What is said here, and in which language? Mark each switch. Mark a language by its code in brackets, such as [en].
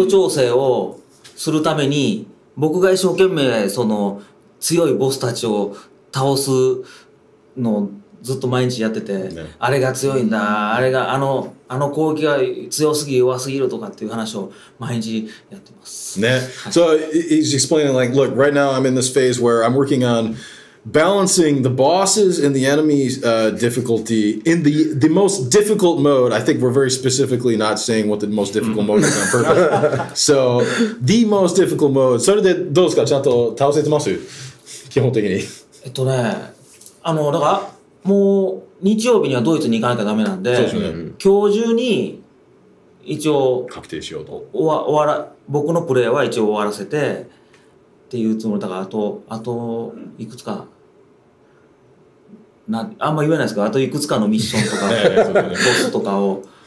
[ja] 今一番難しいモードの難易度調整をするために 僕が一生懸命その強いボスたちを倒すのをずっと毎日やってて、あれが強いんだ、あれがあの攻撃が強すぎ弱すぎるとかっていう話を毎日やってます。ね。So [en] he's explaining, like, look, right now I'm in this phase where I'm working on balancing the bosses and the enemies difficulty in the most difficult mode. I think we're very specifically not saying what the most difficult mode is on purpose. So the most difficult mode. So [ja] どうですか、ちゃんと倒せてます基本的に。だからもう日曜日にはドイツに行かなきゃダメなんで、今日中に一応確定しようと、僕のプレイは一応終わらせてっていうつもりだから、あといくつか あんま言えないですけど、あといくつかのミッションとか、ボスとかを